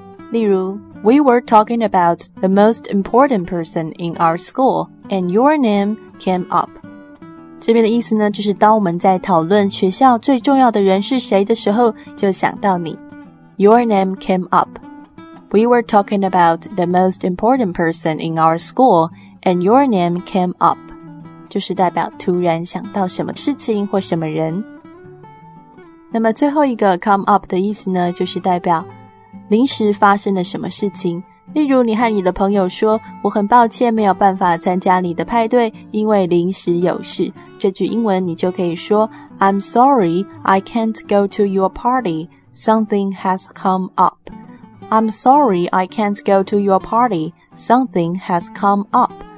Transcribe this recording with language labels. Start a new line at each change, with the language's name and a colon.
Chinese: 例如
English: We were talking about the most important person in our school, and your name came up.
Chinese: 这边的意思呢就是当我们在讨论学校最重要的人是谁的时候就想到你。
English: Your name came up. We were talking about the most important person in our school and your name came up.
Chinese: 就是代表突然想到什么事情或什么人。那么最后一个 come up 的意思呢，就是代表临时发生了什么事情。例如你和你的朋友说，我很抱歉没有办法参加你的派对，因为临时有事。这句英文你就可以说
English: I'm sorry I can't go to your party, something has come up. I'm sorry I can't go to your party, something has come up.